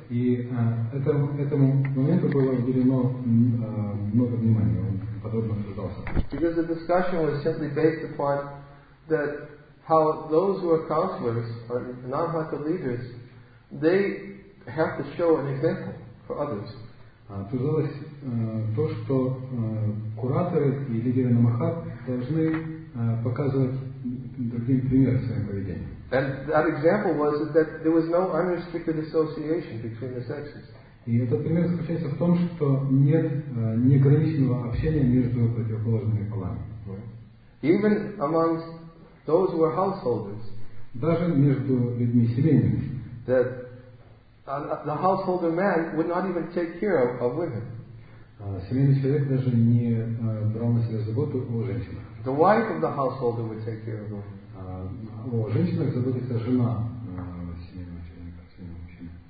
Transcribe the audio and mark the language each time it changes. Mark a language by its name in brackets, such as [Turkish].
[Russian] Этому моменту было уделено много внимания. Он подробно обсуждался. [English] Because the discussion was simply based upon that how those who are counselors or Namhaka leaders, they have to show an example for others. [Russian] Обсуждалось то, что кураторы и лидеры намахат должны показывать другим пример своим поведением. [English] And that example was that there was no unrestricted association between the sexes. [Russian] И этот пример заключается в том, что нет неограниченного общения между противоположными полами. [English] Even amongst those who are householders. [Russian] Даже между людьми семейными. [English] That the householder man would not even take care of women. [Russian] Семейный человек даже не брал на себя заботу о женщинах. [English] The wife of the householder would take care of women. [Russian] О женщинах заботится жена семейного человека, семейного мужчины.